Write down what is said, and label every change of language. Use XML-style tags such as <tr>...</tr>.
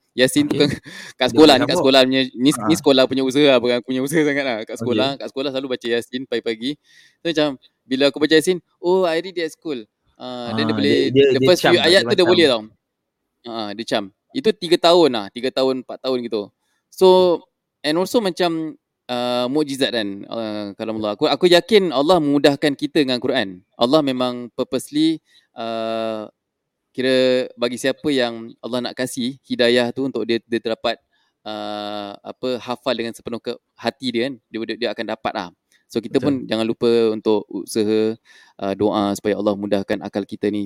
<ms>Yasin tu kat sekolah, kat sekolah punya, ni sekolah punya usaha lah, bukan aku punya usaha sangat lah. Kat sekolah, kat sekolah selalu baca Yasin pagi-pagi. So macam, bila aku baca Yasin,</ms> <en>I read it at school.</en> <ms>Then dia boleh,</ms> <en>the first few</en> <ms>ayat tu dia boleh tau. Dia cam. Itu 3 tahun lah, 3 tahun, 4 tahun gitu. So, and also macam mukjizat kan, kalamullah. Aku yakin Allah memudahkan kita dengan Quran. Allah memang purposely, kira bagi siapa yang Allah nak kasih hidayah tu untuk dia, dia terdapat apa, hafal dengan sepenuh ke hati dia kan, dia akan dapat lah. So kita pun jangan lupa untuk usaha doa supaya Allah mudahkan akal kita ni.</ms>